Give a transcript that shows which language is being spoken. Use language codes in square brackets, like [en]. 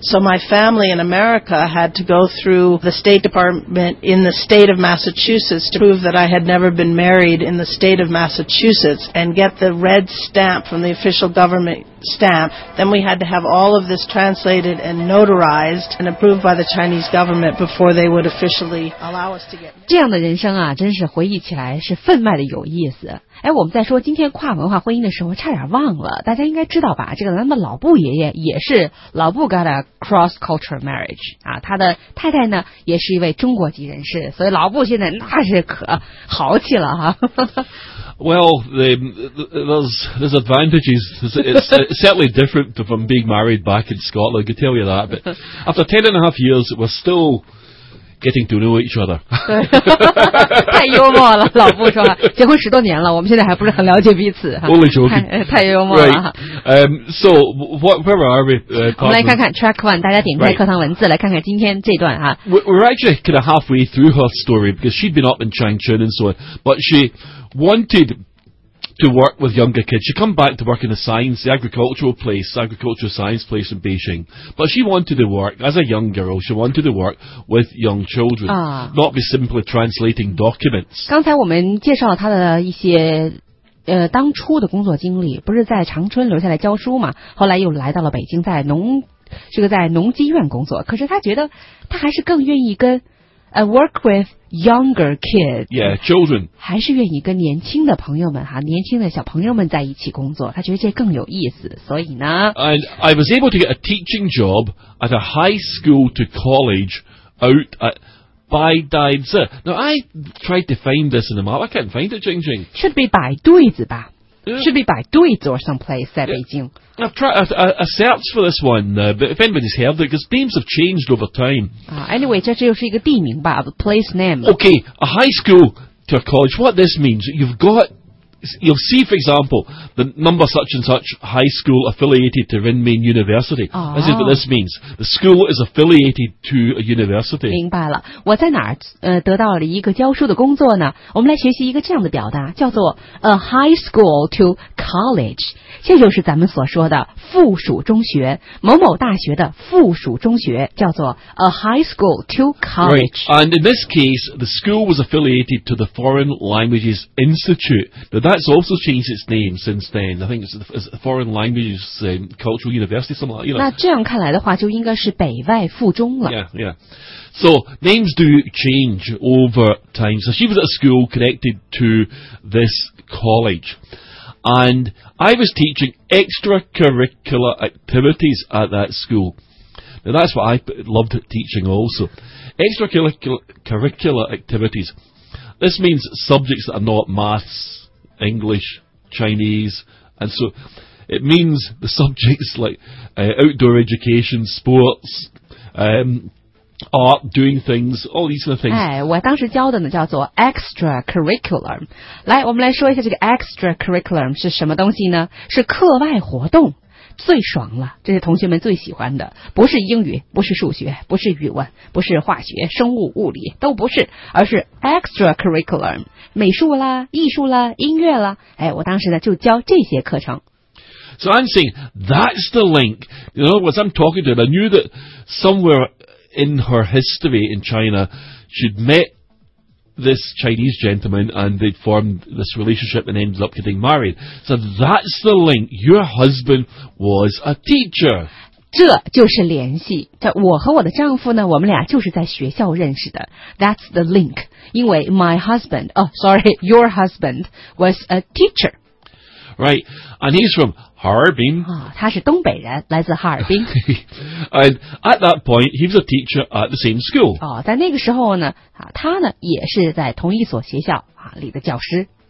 [en] So my family in America had to go through the State Department in the state of Massachusetts to prove that I had never been married in the state of Massachusetts and get the red stamp from the official government stamp. Then we had to have all of this translated and notarized and approved by the Chinese government before they would officially allow us to get married. [zh] 这样的人生啊，真是回忆起来是分外的有意思。哎，我们在说今天跨文化婚姻的时候，差点忘了，大家应该知道吧？这个咱们老布爷爷也是老布 [en] got a cross culture marriage [zh] 啊，他的太太呢也是一位中国籍人士，所以老布现在那是可豪气了哈。 [en] Well, there's advantages. It's certainly different from being married back in Scotland, I can tell you that. But after 10.5 years, we're still getting to know each other. [zh] 太幽默了，老布说，结婚十多年了，我们现在还不是很了解彼此。 [en] Only joking. [zh] 太幽默了。 [en] Right. So, where are we? [zh] 我们来看看 [en] track one, [zh] 大家点开课堂文字、 [en] right. [zh] 来看看今天这段啊。 [en] We're actually kind of halfway through her story, because she'd been up in Changchun and so on, but she... wanted to work with younger kids. She come back to work in the agricultural science place in Beijing. But she wanted to work, as a young girl, she wanted to work with young children,、not be simply translating documents. [zh] 刚才我们介绍了她的一些、当初的工作经历，不是在长春留下来教书嘛，后来又来到了北京，在农机院工作。可是她觉得她还是更愿意跟 [en] work with younger kids. Yeah, children. [zh] 还是愿意跟年轻的朋友们哈，年轻的小朋友们在一起工作，他觉得这更有意思，所以呢。 [en] And I was able to get a teaching job at a high school to college out at Baidaizi. Now, I tried to find this in the map. I can't find it, Jingjing. Should be Baidaizi 吧。Should be Baidaizi or someplace at Beijing. I've tried a search for this one, but if anybody's heard it, because names have changed over time. Anyway, [zh] 这又是一个地名吧 ， [en] a place name. Okay, a high school to a college. What this means, you'll see, for example, the number such and such high school affiliated to Renmin University. This is what this means. The school is affiliated to a university. [zh] 明白了，我在哪儿得到了一个教书的工作呢？我们来学习一个这样的表达，叫做 [en] a high school to college. [zh] 这就是咱们所说的附属中学，某某大学的附属中学叫做 [en] a high school to college. Right. And in this case, the school was affiliated to the Foreign Languages Institute. That's also changed its name since then. I think it's the Foreign Languages Cultural University, something like that. [zh] 那这样看来的话，就应该是北外附中了。 [en] Yeah, yeah. So, names do change over time. So, she was at a school connected to this college. And I was teaching extracurricular activities at that school. Now, that's what I loved teaching also. Extracurricular activities. This means subjects that are not maths. English, Chinese, and so it means the subjects like outdoor education, sports, art, doing things, all these kind of things. [zh] 哎，我当时教的呢叫做 extracurricular. 来，我们来说一下这个 extracurricular 是什么东西呢？是课外活动，最爽了，这是同学们最喜欢的。不是英语，不是数学，不是语文，不是化学、生物、物理，都不是，而是 extracurricular。美术啦，艺术啦，音乐啦，哎，我当时呢就教这些课程。 [en] So I'm saying that's the link. You know, as I'm talking to her, I knew that somewhere in her history in China, she'd met this Chinese gentleman and they'd formed this relationship and ended up getting married. So that's the link. Your husband was a teacher. [zh] 这就是联系，我和我的丈夫呢，我们俩就是在学校认识的。 [en] That's the link. [zh] 因为 [en] my husband, oh sorry, your husband was a teacher. Right. And he's from Harbin. [zh] Oh, 他是东北人, 来自哈尔滨. [en] And at that point, he was a teacher at the same school. [zh] Oh, 在那个时候呢, 他呢, 也是在同一所学校, 里的教师。